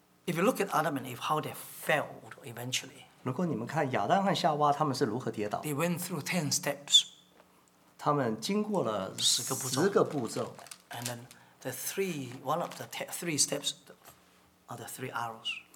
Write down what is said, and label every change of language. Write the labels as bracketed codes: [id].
[en] ？If you look at Adam and Eve, how they failed eventually。 [zh] 如果你们看亚当和夏娃他们是如何跌倒 [en] They went through 10 steps [zh] 他们经过了十个步骤 [en] And then one of the three steps are the three arrows